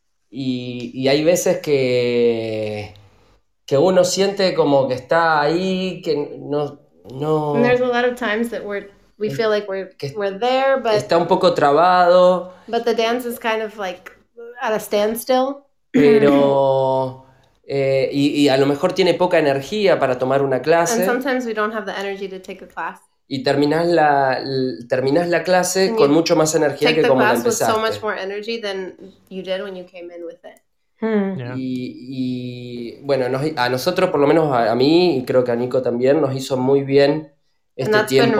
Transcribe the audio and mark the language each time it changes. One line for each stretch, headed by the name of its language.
Spanish: Y hay veces que uno siente como que está ahí, que no.
English: And there's a lot of times that we feel like we're there, but
Spanish: está un poco trabado.
English: But the dance is kind of like at a standstill.
Spanish: Pero y a lo mejor tiene poca energía para tomar una clase.
English: And sometimes we don't have the energy to take a class.
Spanish: Y terminás la clase and con mucho más energía que como la empezaste.
English: So much more energy than you did when you came in with it. Yeah.
Spanish: Y bueno, a nosotros, por lo menos a mí, y creo que a Nico también, nos hizo muy bien este tiempo.